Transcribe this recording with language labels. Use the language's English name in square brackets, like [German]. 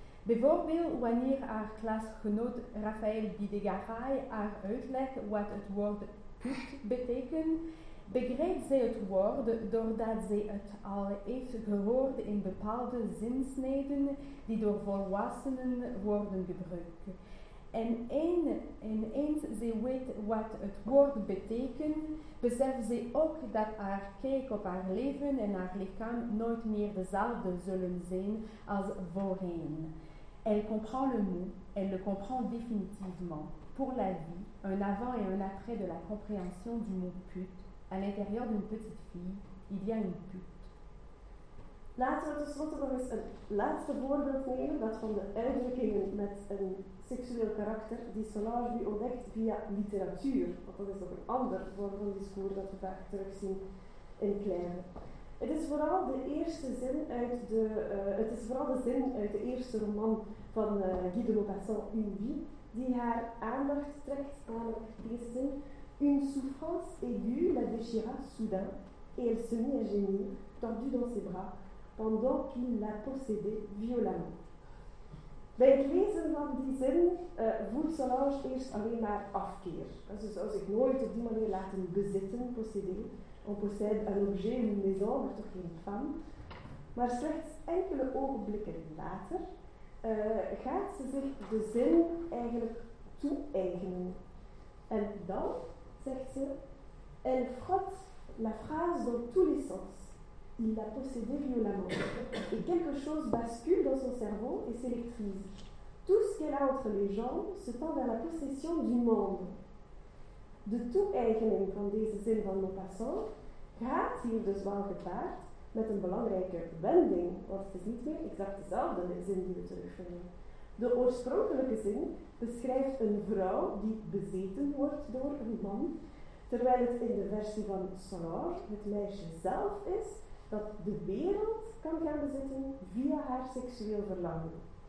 [Dutch] Bijvoorbeeld wanneer haar klasgenoot Raphaël Bidegaray haar uitlegt wat het woord put betekent, begrijpt zij het woord doordat zij het al heeft gehoord in bepaalde zinsneden die door volwassenen worden gebruikt. En eens zij weet wat het woord betekent, beseft zij ook dat haar kijk op haar leven en haar lichaam nooit meer dezelfde zullen zijn als voorheen. [French] Elle comprend le mot, elle le comprend définitivement. Pour la vie, un avant et un après de la compréhension du mot put. À l'intérieur d'une petite fille, il y a une pute. [Dutch] Laten we tenslotte nog eens het laatste voorbeeld nemen, dat van de uitdrukkingen met een seksueel karakter die Solange nu ontdekt via literatuur. Want dat is ook een ander vorm van discours dat we vaak terugzien in Claire. Het is vooral de eerste zin uit de, het is vooral de zin uit de eerste roman van Guy de Maupassant, Une vie, die haar aandacht trekt, namelijk deze zin. [French] Une souffrance aiguë la déchira soudain, et elle se mit à gémir, tordue dans ses bras, pendant qu'il la possédait violemment. [Dutch] Bij het lezen van die zin voelt Solange eerst alleen maar afkeer. Ze zou zich nooit op die manier laten bezitten, posséder. [French] On possède un objet, une maison, [Dutch] maar toch geen [French] femme. [Dutch] Maar slechts enkele ogenblikken later gaat ze zich de zin eigenlijk toe-eigenen. En dan zegt ze, [French] elle frotte la phrase dans tous les sens. Il la possédait violemment. Et quelque chose bascule dans son cerveau et s'électrise. Tout ce qu'elle a entre les jambes se tend vers la possession du monde. [Dutch] De toe-eigening van deze zin van Maupassant gaat hier dus wel gepaard met een belangrijke wending, want het is niet meer exact dezelfde zin die we terugvinden. De oorspronkelijke zin beschrijft een vrouw die bezeten wordt door een man, terwijl het in de versie van Solange het meisje zelf is dat de wereld kan gaan bezitten via haar seksueel verlangen.